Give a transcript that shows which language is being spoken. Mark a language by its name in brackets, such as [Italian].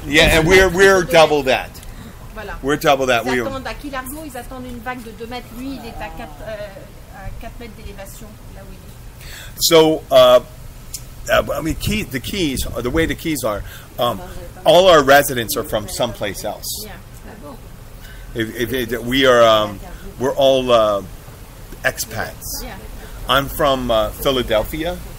[English] Yeah, and we're double that. [French] Voilà. [English] We're double that. [French] Ils attendent à Key Largo. Ils attendent une vague de 2 mètres. Lui, il est à 4 mètres d'élévation. Là où il est. [English] So, the keys are, all our residents are from someplace else. We're all expats. I'm from Philadelphia.